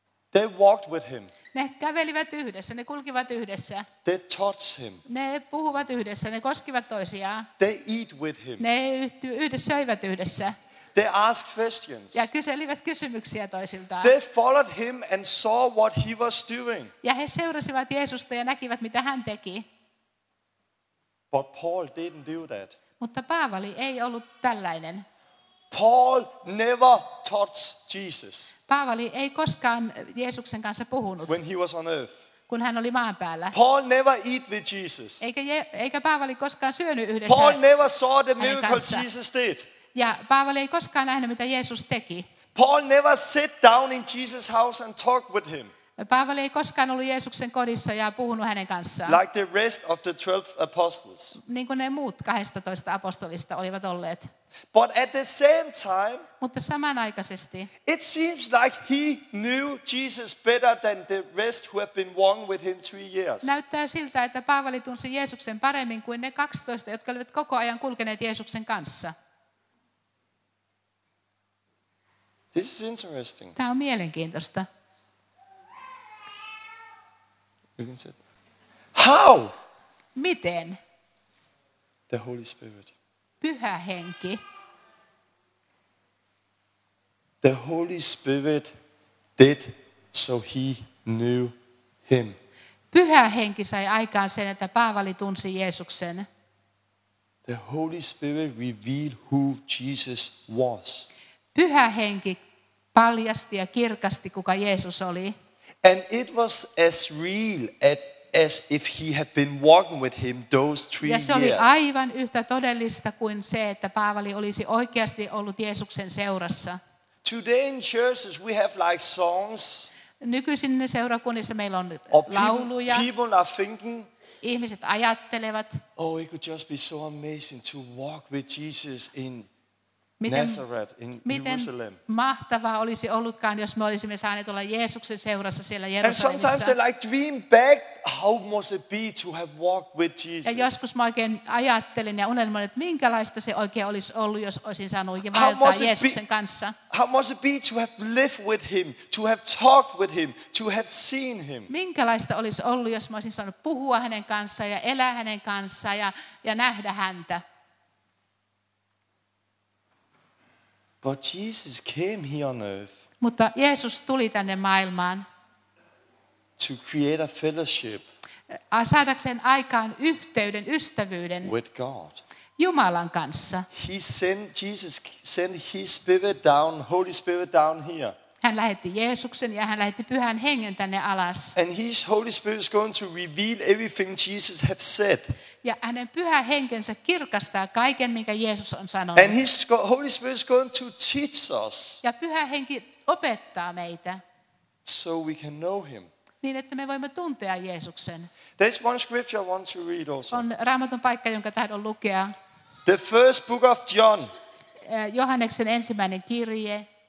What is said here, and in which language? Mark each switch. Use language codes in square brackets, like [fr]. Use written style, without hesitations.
[en] They walked with him. [fi] Ne kävelivät yhdessä, ne kulkivat yhdessä. [en] They touch him. [fi] Ne puhuvat yhdessä, ne koskivat toisiaan. [en] They eat with him. [fi] Ne yhdessä söivät yhdessä. [en] They ask questions. [fi] Ja kyselivät kysymyksiä toisiltaan. [en] They followed him and saw what he was doing. [fi] Ja he seurasivat Jeesusta ja näkivät mitä hän teki. [en] But Paul didn't do that. [fi] Mutta Paavali ei ollut tällainen. [en] Paul never touched Jesus. [fi] Paavali ei koskaan Jeesuksen kanssa puhunut. [en] When he was on earth. [fi] Kun hän oli maan päällä. [en] Paul never eat with Jesus. [fi] Eikä Paavali koskaan syönyt yhdessä. [en] Paul never saw the miracle Jesus did. [fi] Ja Paavali ei koskaan nähnyt mitä Jeesus teki. [en] Paul never sat down in Jesus' house and talked with him. [fi] Paavali ei koskaan ollut Jeesuksen kodissa ja puhunut hänen kanssaan. [en] Like the rest of the 12 apostles. [fi] Niin kuin ne muut 12 apostolista olivat olleet. [en] But at the same time, [fi] mutta samanaikaisesti, [en] it seems like he knew Jesus better than the rest who have been wrong with him 3 years. [fi] Näyttää siltä, että Paavali tunsi Jeesuksen paremmin kuin ne 12, jotka olivat koko ajan kulkeneet Jeesuksen kanssa. [en] This is interesting. [fi] Tämä on mielenkiintoista. [en] How? [fi] Miten? [en] The Holy Spirit. [fi] Pyhä Henki. [en] The Holy Spirit did so he knew him. [fi] Pyhä Henki sai aikaan sen, että Paavali tunsi Jeesuksen. [en] The Holy Spirit revealed who Jesus was. [fi] Pyhä Henki paljasti ja kirkasti, kuka Jeesus oli. [en] And it was as real as if he had been walking with him those 3 years. [fi] Ja se oli aivan yhtä todellista kuin se, että Paavali olisi oikeasti ollut Jeesuksen seurassa. [en] Today in churches we have like songs. [fi] Nykyisin seurakunnissa meillä on lauluja. [en] People are thinking. [fi] Ihmiset ajattelevat. [en] Oh, it could just be so amazing to walk with Jesus in Nazareth in Jerusalem. [fi] Miten mahtavaa olisi ollutkaan, jos me olisimme saaneet olla Jeesuksen seurassa siellä Jerusalemissa. [en] And sometimes they like dream back, how must it be to have walked with Jesus? [fi] Ja joskus mä oikein ajattelin ja unelmoin, että minkälaista se oikein olisi ollut, jos olisin saanut vaeltaa Jeesuksen kanssa. [en] How must it be to have lived with him, to have talked with him, to have seen him? [fi] Minkälaista olisi ollut, jos mä olisin saanut puhua hänen kanssaan ja elää hänen kanssaan ja nähdä häntä? [en] But Jesus came here on earth. [fi] Mutta Jeesus tuli tänne maailmaan. [en] To create a fellowship. [fi] Saadakseen aikaan yhteyden, ystävyyden. [en] With God. [fi] Jumalan kanssa. [en] He sent Jesus sent his spirit down, Holy Spirit down here. [fi] Hän lähetti Jeesuksen ja hän lähetti Pyhän Hengen tänne alas. [en] And his Holy Spirit is going to reveal everything Jesus has said. [fi] Ja hänen Pyhä Henkensä kirkastaa kaiken, minkä Jeesus on sanonut. [en] And his Holy Spirit is going to teach us. [fi] Ja Pyhä Henki opettaa meitä. [en] So we can know him. [fi] Niin että me voimme tuntea Jeesuksen. [en] There's one scripture I want to read also. [fi] On Raamatun paikka, jonka tahdon lukea. [en] The first book of John. [fi] Johanneksen ensimmäinen kirje.